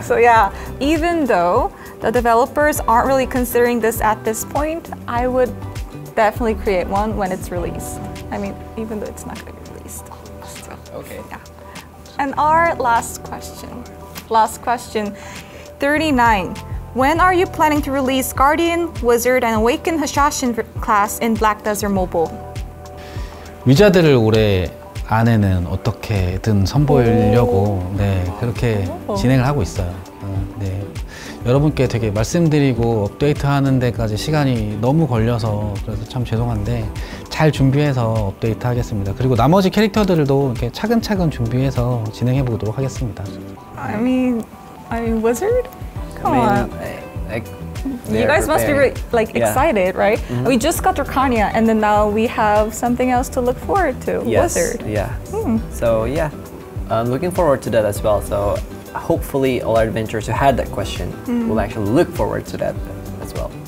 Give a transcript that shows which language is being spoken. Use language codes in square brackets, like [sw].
[en] So yeah, even though the developers aren't really considering this at this point, I would definitely create one when it's released. I mean, even though it's not going to be released. So, okay. Yeah. And our last question. 39. When are you planning to release Guardian, Wizard, and Awakened Assassin class in Black Desert Mobile? [ko] 위자드를 올해 안에는 어떻게든 선보이려고 네, 그렇게 진행을 하고 있어요. 네. 여러분께 되게 말씀드리고 업데이트하는 데까지 시간이 너무 걸려서 그래서 참 죄송한데 잘 준비해서 업데이트 하겠습니다. 그리고 나머지 캐릭터들도 이렇게 차근차근 준비해서 진행해 보도록 하겠습니다. [en] I mean, Wizard? Come on. You guys must be really, like, excited, right? Mm-hmm. We just got Draconia, and then now we have something else to look forward to. Yes, Wizard. Yeah. Mm. So yeah, I'm looking forward to that as well. So hopefully all our adventurers who had that question will actually look forward to that as well.